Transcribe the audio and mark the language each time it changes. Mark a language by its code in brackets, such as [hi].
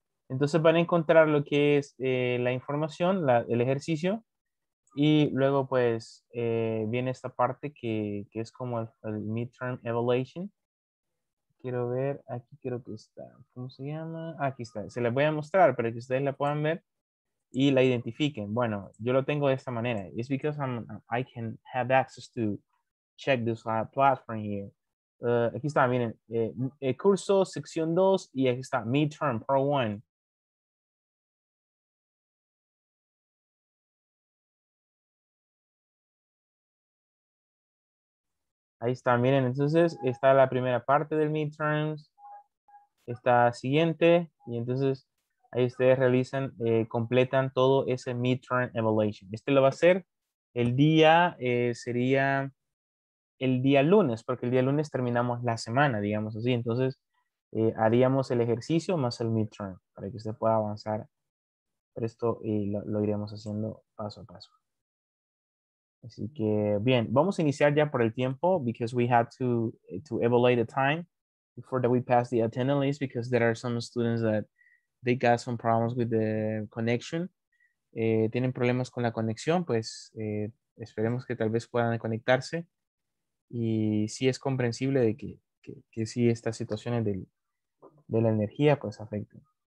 [es] Entonces van a encontrar lo que es la información, el ejercicio. Y luego pues viene esta parte que es como el midterm evaluation. Quiero ver, aquí creo que está, ¿cómo se llama? Aquí está, se la voy a mostrar para que ustedes la puedan ver y la identifiquen. Bueno, yo lo tengo de esta manera. [en] It's because I can have access to check this platform here. [es] Aquí está, miren, curso sección 2 y aquí está midterm part 1. Ahí está, miren, entonces está la primera parte del midterms, está siguiente, y entonces ahí ustedes realizan, completan todo ese midterm evaluation. Este lo va a hacer el día, sería el día lunes, porque el día lunes terminamos la semana, digamos así. Entonces haríamos el ejercicio más el midterm para que usted pueda avanzar. Pero esto lo iremos haciendo paso a paso. Así que, bien, vamos a iniciar ya por el tiempo [en] because we have to evaluate the time before that we pass the attendance list because there are some students that they got some problems with the connection. [es] Tienen problemas con la conexión, pues esperemos que tal vez puedan conectarse. Y sí es comprensible de que si estas situaciones de la energía pues afectan.